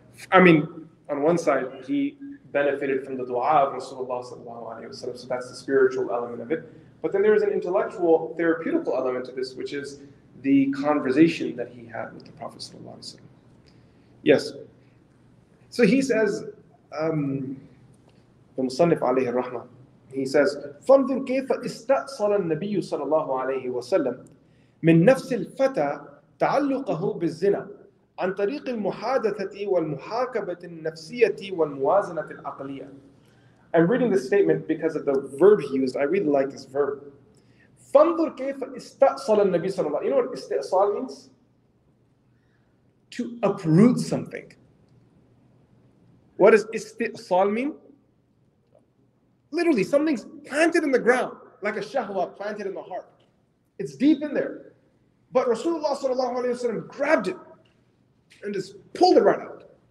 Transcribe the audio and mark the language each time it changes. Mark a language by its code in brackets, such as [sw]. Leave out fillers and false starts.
[en] I mean, on one side, he benefited from the dua of Rasulullah sallallahu alayhi wa sallam, so that's the spiritual element of it. But then there is an intellectual, therapeutical element to this, which is the conversation that he had with the Prophet sallallahu alayhi wa sallam. Yes. So he says, the Musannif alayhi rahma, he says, [ar] فَانْظُرْ كَيْفَ إِسْتَأْصَلَ النَّبِيُّ صَلَى اللَّهُ عَلَيْهِ وَسَلَّمْ مِنْ نَفْسِ الْفَتَى تَعَلُّقَهُ بِالزِّنَى عن طريق المحادثة والمحاكبة النفسية والموازنة العقلية. [en] I'm reading this statement because of the verb he used. I really like this verb. [ar] فَانْظُرْ كَيْفَ إِسْتَأْصَلَ النَّبِي صَلَى اللَّهُ. [en] You know what [ar] إِسْتَأْصَال [en] means? To uproot something. What does إِسْتَأْصَال mean? Literally, something's planted in the ground, like a shahwa planted in the heart. It's deep in there. But Rasulullah sallallahu alayhi wa sallam grabbed it and just pulled it right out.